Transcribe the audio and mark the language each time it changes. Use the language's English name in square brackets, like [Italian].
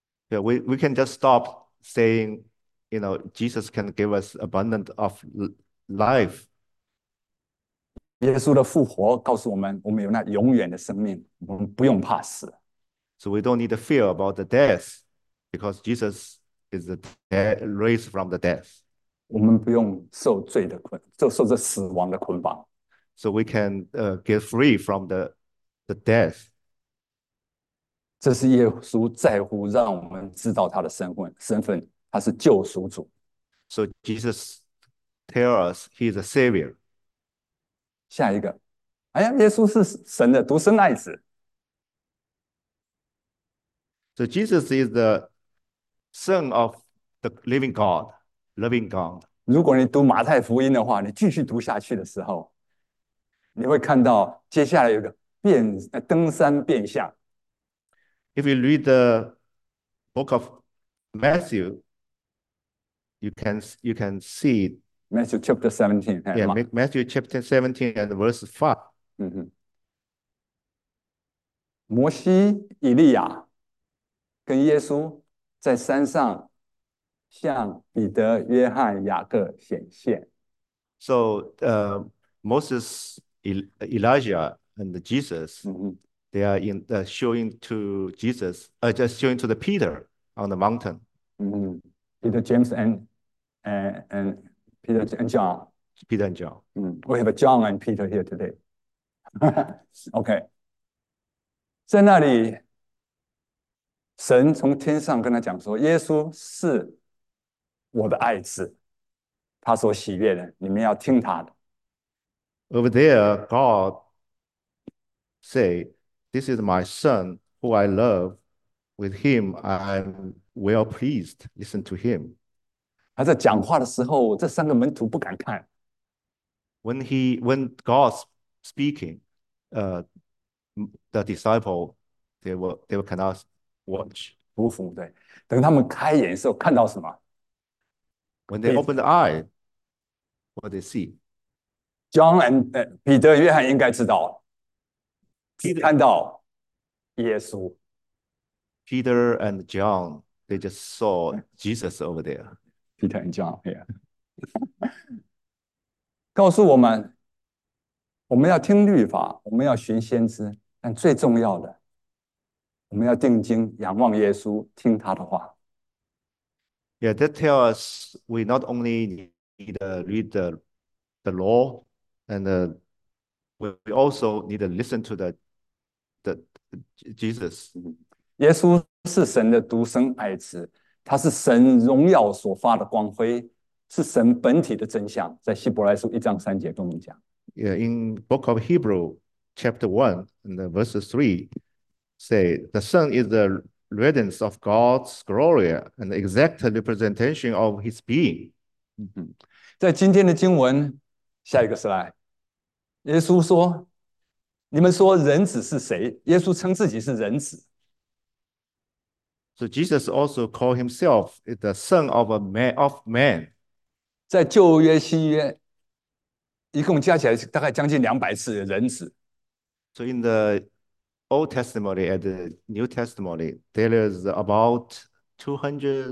[English] Yeah, we can just stop saying, Jesus can give us abundant of life. [Chinese] 耶稣的复活告诉我们，我们有那永远的生命，我们不用怕死。 [English] So we don't need to fear about the death because Jesus is the raised from the death. [Chinese] 我们不用受罪的捆，就受着死亡的捆绑。 [English] So we can get free from the death. [Chinese] 这是耶稣在乎，让我们知道他的身份，他是救赎主。 [English] So Jesus tells us he is a savior. [Chinese] 下一个，哎呀，耶稣是神的独生爱子。 [English] So Jesus is the son of the living God, loving God. [Chinese] 如果你读马太福音的话，你继续读下去的时候，你会看到接下来有个登山变相。 [English] If you read the book of Matthew, You can see, Matthew chapter 17， yeah, Matthew chapter 17 and verse 5. [Chinese] 摩西、以利亚跟耶稣在山上向彼得、约翰、雅各显现。 [English] So, Moses, Elijah, and Jesus, they are showing to Peter on the mountain. Peter, James, and Peter and John. Peter and John. We have a John and Peter here today. [Chinese] OK，在那里，神从天上跟他讲说：“耶稣是我的爱子，他所喜悦的，你们要听他的。 [English] Over there, God say, "This is my son who I love. With him, I am well pleased. Listen to him." [Chinese] ”他在讲话的时候，这三个门徒不敢看。 [English] When God's speaking, the disciple, they were cannot watch. [Chinese] 不服，对，等他们开眼的时候看到什么？ [English] When they [Chinese] 可以。 [English] open the eye, what they see? John and [Chinese] 彼得、约翰应该知道，看到耶稣。 [English] Peter and John, they just saw Jesus over there. Peter and John here， [Chinese] 告诉我们，我们要听律法，我们要寻先知，但最重要的。我们要定睛仰望耶稣，听他的话。 [English] Yeah, that tells us we not only need to read the law, and we also need to listen to the Jesus. [Chinese] 耶稣是神的独生爱子，他是神荣耀所发的光辉，是神本体的真相。在希伯来书1章3节跟我们讲。 [English] Yeah, in Book of Hebrew, chapter 1 and the verses 3 say the Son is the radiance of God's glory and the exact representation of his being. [Chinese] 在今天的经文，下一个 slide，耶稣说：“你们说人子是谁？” 耶稣称自己是人子。 [English] So Jesus also called himself the Son of Man. [Chinese] 在旧约、新约，一共加起来大概将近200次的人子。 [English] So in the Old Testament and the New Testament, there is about 200,